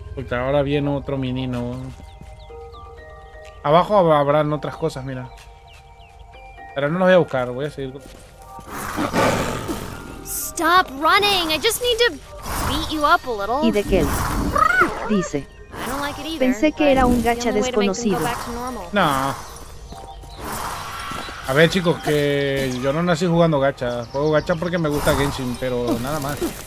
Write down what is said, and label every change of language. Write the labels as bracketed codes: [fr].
[es] Ahora viene otro menino. Abajo habrán otras cosas, mira. Pero no los voy a buscar, voy a seguir. [en] Stop running. I just need to beat you up a little. [es] ¿Y de qué? Dice. [en] I don't like it either. [es] Pensé que era un gacha desconocido. No. A ver, chicos, que yo no nací jugando gacha. Juego gacha porque me gusta Genshin, pero nada más.